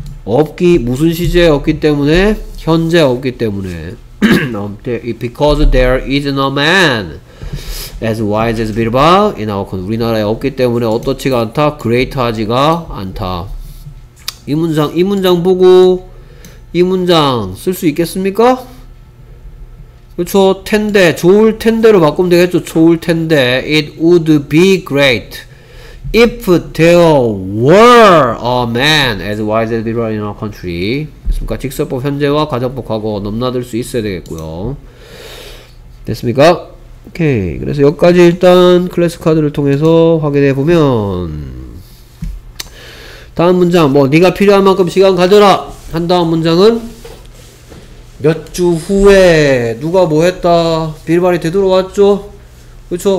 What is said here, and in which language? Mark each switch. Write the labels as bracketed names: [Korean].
[Korean] 없기 무슨 시제 없기 때문에 현재 없기 때문에 [English] because there is no man as wise as Birbal in our country [Korean] 우리나라에 없기 때문에 어떻지가 않다 great하지가 않다. 이 문장 보고 이 문장 쓸 수 있겠습니까? 그렇죠. 텐데 좋을 텐데로 바꾸면 되겠죠. 좋을 텐데 [English] it would be great if there were a man as wise as Birbal in our country. [Korean] 됐습니까? 직설법 현재와 가정법 과거 넘나들 수 있어야 되겠고요. 됐습니까? 오케이. 그래서 여기까지 일단 클래스 카드를 통해서 확인해 보면 다음 문장 뭐 네가 필요한 만큼 시간 가져라 한 다음 문장은 몇 주 후에 누가 뭐 했다 빌발이 되돌아왔죠. 그렇죠?